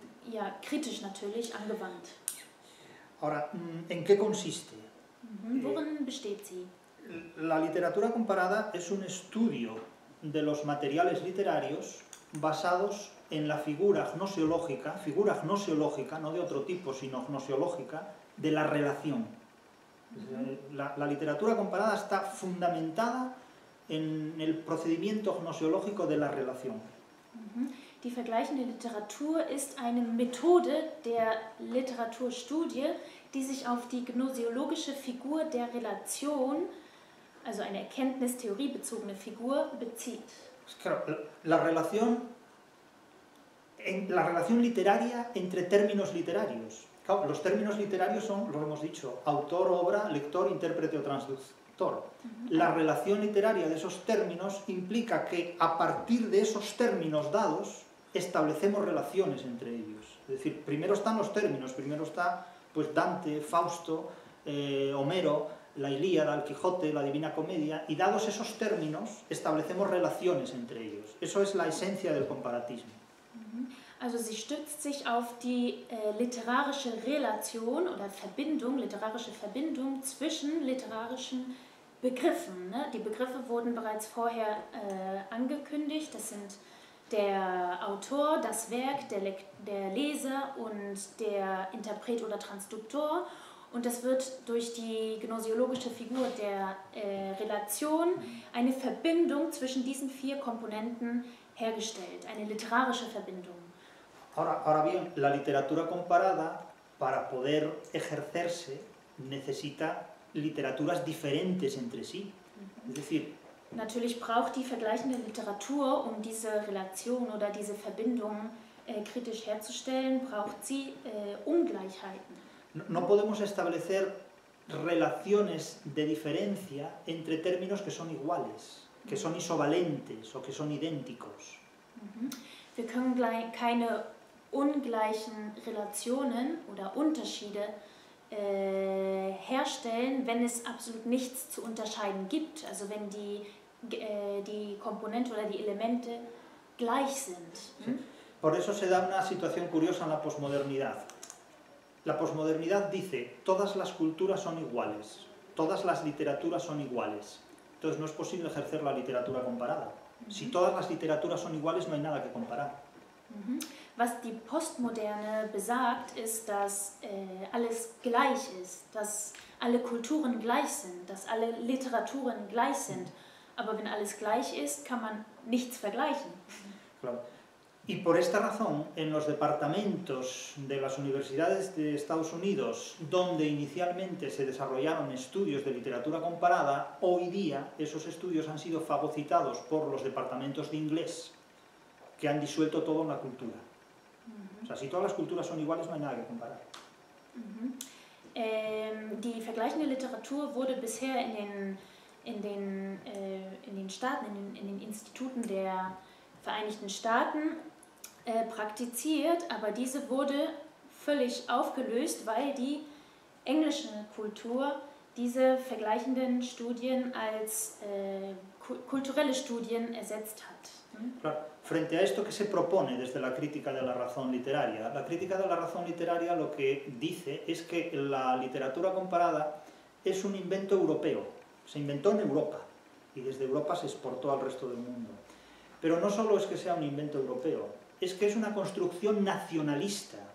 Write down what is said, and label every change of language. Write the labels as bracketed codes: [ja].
[de] Ja, kritisch natürlich, angewandt. [es] Ahora, ¿en qué consiste? [de] Worin besteht sie? [es] La literatura comparada es un estudio de los materiales literarios basados en la figura gnoseológica, no de otro tipo, sino gnoseológica, de la relación. La literatura comparada está fundamentada en el procedimiento gnoseológico de la relación. [de] Die vergleichende Literatur ist eine Methode der Literaturstudie, die sich auf die gnoseologische Figur der Relation, also eine erkenntnistheoriebezogene Figur, bezieht. [es] La relación literaria entre términos literarios. Los términos literarios son, lo hemos dicho, autor, obra, lector, intérprete o transductor. La relación literaria de esos términos implica que a partir de esos términos dados establecemos relaciones entre ellos. Es decir, primero están los términos, primero está pues Dante, Fausto, Homero, la Ilíada, el Quijote, la Divina Comedia, y dados esos términos establecemos relaciones entre ellos. Eso es la esencia del comparatismo. [de] Also sie stützt sich auf die literarische Relation oder Verbindung, literarische Verbindung zwischen literarischen Begriffen. Ne? Die Begriffe wurden bereits vorher angekündigt. Das sind der Autor, das Werk, der Leser und der Interpret oder Transduktor. Und das wird durch die gnoseologische Figur der Relation eine Verbindung zwischen diesen vier Komponenten hergestellt, eine literarische Verbindung. [es] Ahora bien, la literatura comparada, para poder ejercerse, necesita literaturas diferentes entre sí. Es decir, [de] natürlich braucht die vergleichende Literatur, um diese Relation oder diese Verbindung kritisch herzustellen, braucht sie Ungleichheiten. [es] No podemos establecer relaciones de diferencia entre términos que son iguales, que son isovalentes o que son idénticos. [de] Wir können gleich keine ungleichen Relationen oder Unterschiede herstellen, wenn es absolut nichts zu unterscheiden gibt, also wenn die, die Komponente oder die Elemente gleich sind. [es] Por eso se da una situación curiosa en la posmodernidad. La posmodernidad dice, todas las culturas son iguales, todas las literaturas son iguales. Entonces no es posible ejercer la literatura comparada. Si todas las literaturas son iguales, no hay nada que comparar. [de] Was die Postmoderne besagt, ist, dass alles gleich ist, dass alle Kulturen gleich sind, dass alle Literaturen gleich sind. Aber wenn alles gleich ist, kann man nichts vergleichen. [es] Claro. Y por esta razón, en los departamentos de las universidades de Estados Unidos, donde inicialmente se desarrollaron estudios de literatura comparada, hoy día esos estudios han sido fagocitados por los departamentos de inglés, que han disuelto todo en la cultura. Si todas las culturas son iguales, no hay nada que comparar. [de] Die vergleichende Literatur wurde bisher in den Staaten, in den Instituten der Vereinigten Staaten praktiziert, aber diese wurde völlig aufgelöst, weil die englische Kultur diese vergleichenden Studien als kulturelle Studien ersetzt hat. [es] Claro. Frente a esto, ¿qué se propone desde la crítica de la razón literaria? La crítica de la razón literaria lo que dice es que la literatura comparada es un invento europeo. Se inventó en Europa y desde Europa se exportó al resto del mundo. Pero no solo es que sea un invento europeo, es que es una construcción nacionalista.